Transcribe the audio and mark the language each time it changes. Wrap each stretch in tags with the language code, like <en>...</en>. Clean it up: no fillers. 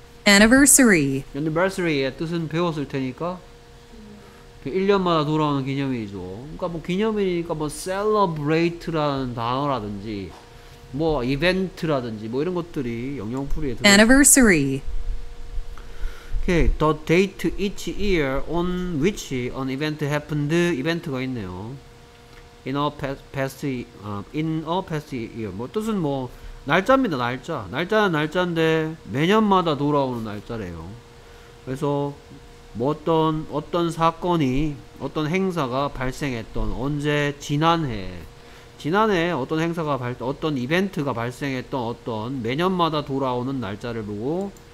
<en>Anniversary.</en> <ko>anniversary의 뜻은 배웠을 테니까 그 1년마다 돌아오는 기념일이죠. 그러니까 뭐 기념일이니까 뭐 celebrate라는 단어라든지 뭐 이벤트라든지 뭐 이런 것들이 영역풀이에 들어 있어요.</ko> <en>Anniversary. Okay. The date each year on which an event happened.</en> <ko>이벤트가 있네요.</ko> <en>In a past year.</en> <ko>뭐, 뜻은 뭐, 날짜입니다, 날짜. 날짜는 날짜인데, 매년마다 돌아오는 날짜래요. 그래서, 뭐 어떤 사건이, 어떤 행사가 발생했던, 언제, 지난해 어떤 행사가 어떤 이벤트가 발생했던 어떤, 매년마다 돌아오는 날짜를 보고,</ko>